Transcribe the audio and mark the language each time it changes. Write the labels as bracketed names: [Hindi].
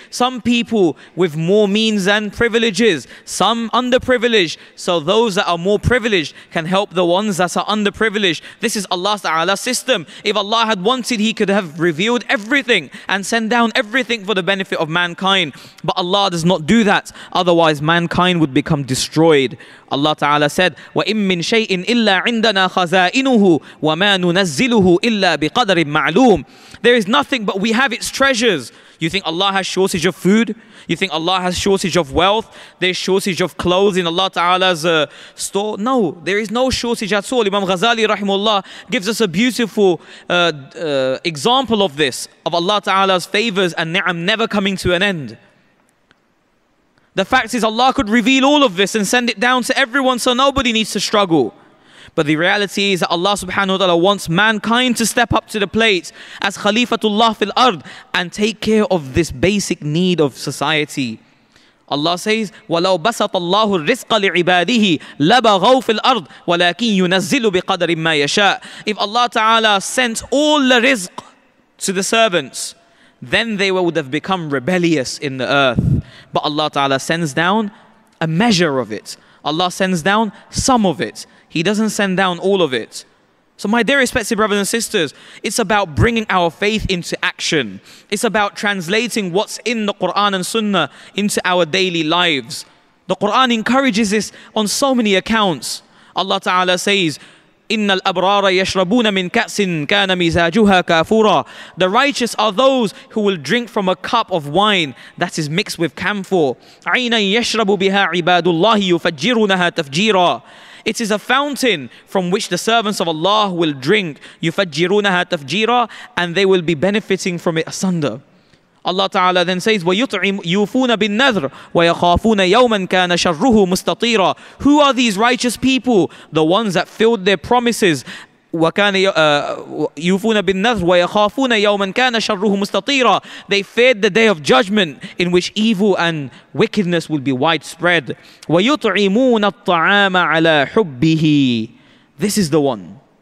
[English] Some people with more means and privileges, some underprivileged, so those that are more privileged can help the ones that are underprivileged. This is Allah ta'ala's system. If Allah had wanted, He could have revealed everything and sent down everything for the benefit of mankind. But Allah does not do that. Otherwise, mankind would become destroyed. Allah ta'ala said, [Arabic] وَإِن مِّن شَيْءٍ إِلَّا عِنْدَنَا خَزَائِنُهُ وَمَا نُنَزِّلُهُ إِلَّا بِقَدَرٍ مَعْلُومٍ. [English] There is nothing but we have its treasures. You think Allah has shortage of food? You think Allah has shortage of wealth? There's shortage of clothes in Allah Ta'ala's store? No, there is no shortage at all. Imam Ghazali rahimullah gives us a beautiful example of this, of Allah Ta'ala's favors and ni'am never coming to an end. The fact is Allah could reveal all of this and send it down to everyone so nobody needs to struggle. But the reality is that Allah subhanahu wa ta'ala wants mankind to step up to the plate as Khalifatullah fil ard and take care of this basic need of society. Allah says, [Arabic] وَلَوْ بَسَطَ اللَّهُ الرِّزْقَ لِعِبَادِهِ لَبَغَوْ فِي الْأَرْضِ وَلَكِنْ يُنَزِّلُ بِقَدَرٍ مَّا يَشَاءُ. [English] If Allah ta'ala sent all the rizq to the servants, then they would have become rebellious in the earth. But Allah ta'ala sends down a measure of it. Allah sends down some of it. He doesn't send down all of it. So my dear respected brothers and sisters, it's about bringing our faith into action. It's about translating what's in the Quran and Sunnah into our daily lives. The Quran encourages this on so many accounts. Allah Ta'ala says, [Arabic] إِنَّ الْأَبْرَارَ يَشْرَبُونَ مِنْ كَأْسٍ كَانَ مِزَاجُهَا كَافُورًا. [English] The righteous are those who will drink from a cup of wine that is mixed with camphor. [Arabic] عَيْنًا يَشْرَبُ بِهَا عِبَادُ اللَّهِ يُفَجِّرُونَهَا تَفْجِيرًا. [English] It is a fountain from which the servants of Allah will drink. [Arabic] يُفَجِّرُونَهَا تَفْجِيرًا. [English] And they will be benefiting from it asunder. Allah Ta'ala then says, [Arabic] وَيُطْعِمُونَ بِالنَّذْرِ وَيَخَافُونَ يَوْمًا كَانَ شَرُّهُ مُسْتَطِيرًا. [English] Who are these righteous people? The ones that filled their promises. [Arabic] وَكَانَ يُوفُونَ بِالنَّذْرِ وَيَخَافُونَ يَوْمًا كَانَ شَرُّهُ مُسْتَطِيرًا. [English] They feared the day of judgment in which evil and wickedness will be widespread. [Arabic] وَيُطْعِمُونَ الطَّعَامَ عَلَى حُبِّهِ. [English] This is the one.